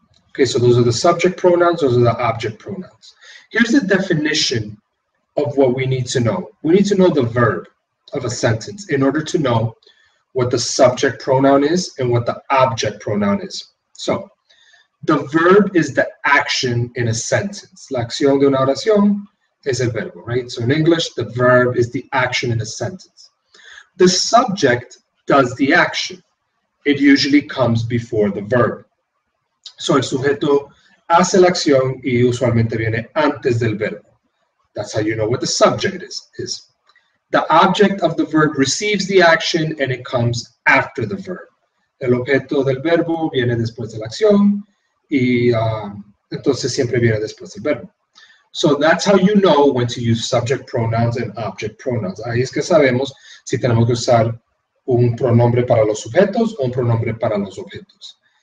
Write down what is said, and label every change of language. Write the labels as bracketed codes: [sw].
[en] Okay, so those are the subject pronouns, those are the object pronouns. Here's the definition of what we need to know. We need to know the verb of a sentence in order to know what the subject pronoun is and what the object pronoun is. So, the verb is the action in a sentence. [es] La acción de una oración es el verbo, right? [en] So in English, the verb is the action in a sentence. The subject does the action. It usually comes before the verb. [es] So el sujeto hace la acción y usualmente viene antes del verbo. [en] That's how you know what the subject is. The object of the verb receives the action and it comes after the verb. [es] El objeto del verbo viene después de la acción y entonces siempre viene después del verbo. [en] So that's how you know when to use subject pronouns and object pronouns. [es] Ahí es que sabemos si tenemos que usar un pronombre para los sujetos o un pronombre para los objetos.